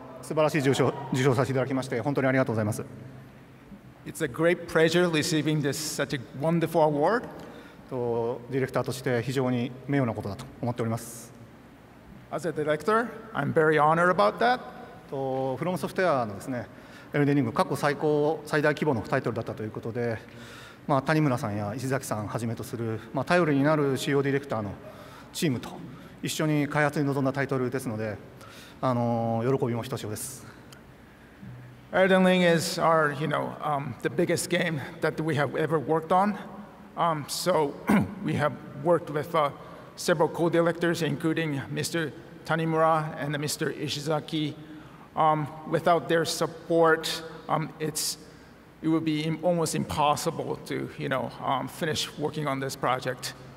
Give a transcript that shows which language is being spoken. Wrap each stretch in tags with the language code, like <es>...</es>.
<ja>素晴らしい受賞させていただきまして本当にありがとうございます。</ja> <en>It's a great pleasure receiving this such a wonderful award.</en> <ja>ディレクターとして非常に名誉なことだと思っております。</ja> <en>As a director, I'm very honored about that.</en> <ja>フロムソフトウェアのですね、エルデンリング過去最高最大規模のタイトルだったということで、 谷村さんや石崎さんはじめとする頼りになるCODディレクターのチームと一緒に開発に臨んだタイトルですので、喜びもひとしおです。</ja> <en>Elden Ring is our, you know, the biggest game that we have ever worked on. So we have worked with several co-directors, including Mr. Tanimura and Mr. Ishizaki. Without their support, it would be almost impossible to, you know, finish working on this project.</en>